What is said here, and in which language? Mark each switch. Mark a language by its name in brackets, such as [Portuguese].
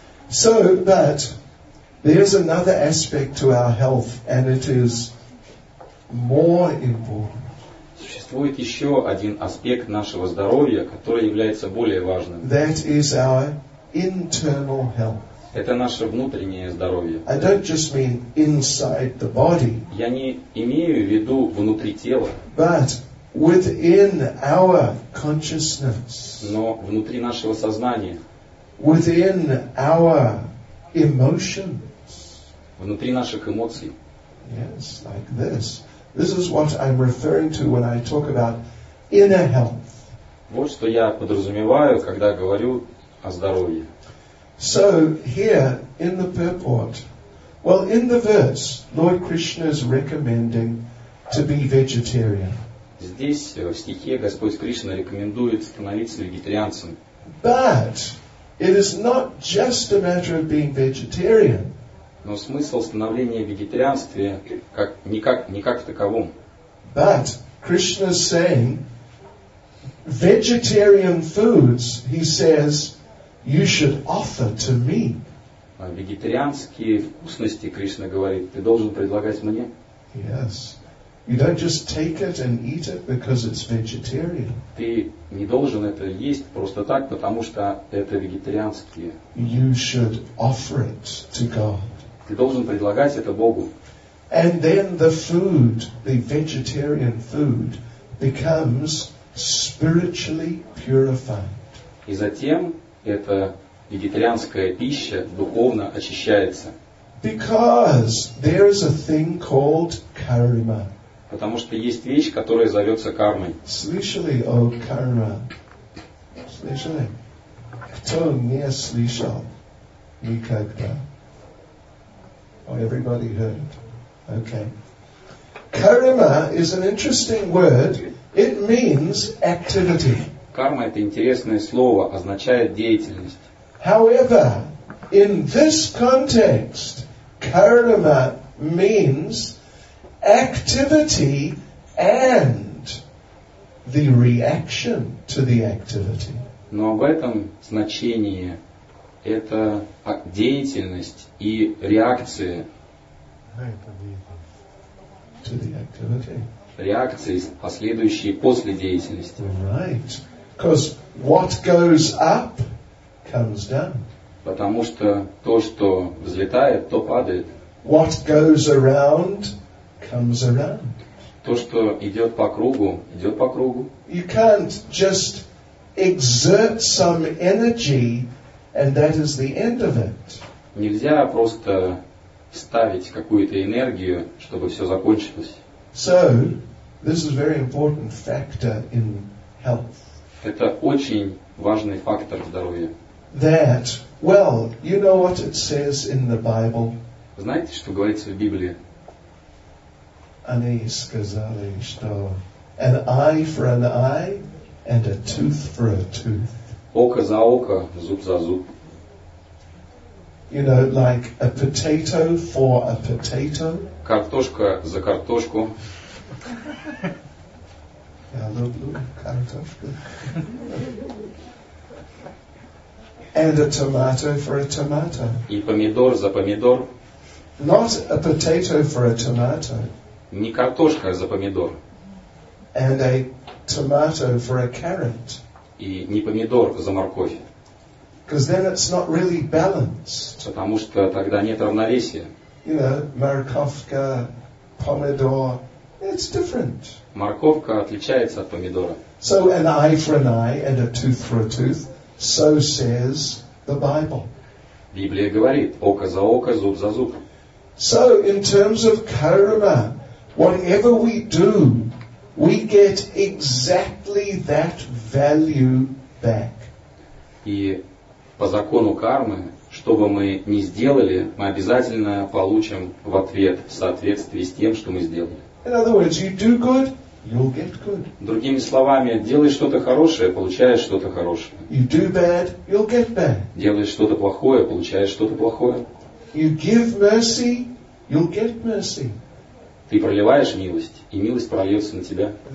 [English] So, but there is another aspect to our health, and it is more important. [Russian] Существует еще один аспект нашего здоровья, который является более важным. [English] That is our internal health. [Russian] Это наше внутреннее здоровье. [English] I don't just mean inside the body. [Russian] Я не имею в виду внутри тела. [English] But within our consciousness. [Russian] Но внутри нашего сознания. [English] Within our emotions. [Russian] Внутри наших эмоций. [English] Yes, like this. This is what I'm referring to when I talk about inner health. [Russian] Вот что я подразумеваю, когда говорю о здоровье. [English] So here in the purport, well, in the verse, Lord Krishna is recommending to be vegetarian. [Russian] Здесь в стихе Господь Кришна рекомендует становиться вегетарианцем. [English] But it is not just a matter of being vegetarian. [Russian] Но смысл становления вегетарианстве как не как в таковом. [English] But Krishna is saying vegetarian foods, he says, you should offer to me. [Russian] Вегетарианские вкусности, Кришна говорит, ты должен предлагать мне. [English] Yes. You don't just take it and eat it because it's vegetarian. [Russian] Ты не должен это есть просто так, потому что это вегетарианские. [English] You should offer it to God. [Russian] Ты должен предлагать это Богу. [English] And then the food, the vegetarian food, becomes spiritually purified. [Russian] И затем эта вегетарианская пища духовно очищается. [English] Because there is a thing called karma. [Russian] Потому что есть вещь, которая зовется кармой. Слышали о карме? Слышали? Кто не слышал никогда? [English] Oh, everybody heard. Okay. Karma is an interesting word. It means activity. [Russian] Карма – это интересное слово, означает деятельность. [English] However, in this context, karma means activity and the reaction to the activity. [Russian] Но в этом значении это деятельность и реакция. [English] To the activity. [Russian] Реакции, последующие после деятельности. [English] Right. Because what goes up comes down. [Russian] Потому что то, что взлетает, то падает. [English] What goes around comes around. [Russian] То, что идет по кругу, идет по кругу. [English] You can't just exert some energy and that is the end of it. [Russian] Нельзя просто ставить какую-то энергию, чтобы все закончилось. [English] So, this is a very important factor in health. [Russian] Это очень важный фактор здоровья. [English] That, well, you know what it says in the Bible? [Russian] Знаете, что говорится в Библии? Они сказали, что [English] an eye for an eye and a tooth for a tooth. [Russian] Око за око, зуб за зуб. [English] You know, like a potato for a potato. [Russian] Картошка за картошку. Я люблю картошку. [English] And a tomato for a tomato. [Russian] И помидор за помидор. [English] Not a potato for a tomato. [Russian] Не картошка за помидор. [English] And a tomato for a carrot. [Russian] И не помидор за морковь. [English] Because then it's not really balanced. [Russian] Потому что тогда нет равновесия. [English] You know, [Russian] морковка, помидор, [English] it's different. [Russian] Морковка отличается от помидора. [English] So an eye for an eye and a tooth for a tooth, so says the Bible. [Russian] Библия говорит: око за око, зуб за зуб. [English] So in terms of karma, whatever we do, we get exactly that value back. [Russian] И по закону кармы, что бы мы ни сделали, мы обязательно получим в ответ в соответствии с тем, что мы сделали. [English] In other words, you do good, you'll get good. [Russian] Другими словами, делаешь что-то хорошее, получаешь что-то хорошее. [English] You do bad, you'll get bad. [Russian] Делаешь что-то плохое, получаешь что-то плохое. [English] You give mercy, you'll get mercy. [Russian] Ты проливаешь милость, и милость прольется на тебя.